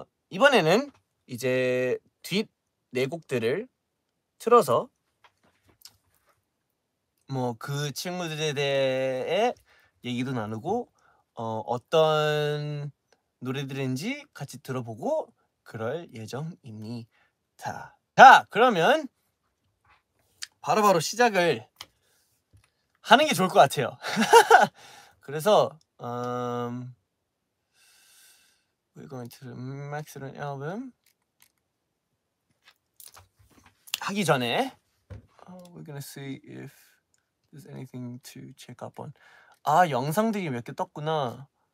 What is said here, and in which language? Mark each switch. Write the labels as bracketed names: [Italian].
[Korean] 이번에는 이제 뒷 네 곡들을 틀어서 뭐 그 친구들에 대해 얘기도 나누고 어떤 노래들인지 같이 들어보고 그럴 예정입니다. 자, 그러면 바로 시작을 하는 게 좋을 것 같아요. [English] 그래서 we're going to the Maxon album [Korean] 하기 전에 [English] we're gonna see if there's anything to check up on. [Korean] 아, 영상들이 몇 개 떴구나.